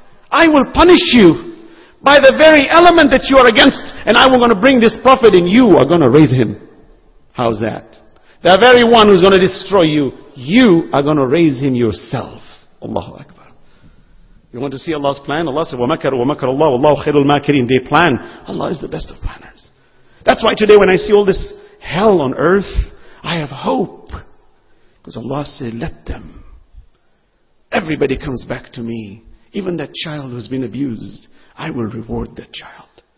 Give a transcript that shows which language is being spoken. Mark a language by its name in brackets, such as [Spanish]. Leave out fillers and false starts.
[English] I will punish you by the very element that you are against. And I'm going to bring this prophet and you are going to raise him. How's that? The very one who's going to destroy you, you are going to raise him yourself. Allahu Akbar. You want to see Allah's plan? Allah said, [Arabic] وَمَكَرُ وَمَكَرُ اللَّهُ وَاللَّهُ خَيْرُ الْمَاكِرِينَ. [English] They plan. Allah is the best of planners. That's why today when I see all this hell on earth, I have hope. Because Allah said, let them. Everybody comes back to me. Even that child who's been abused, I will reward that child.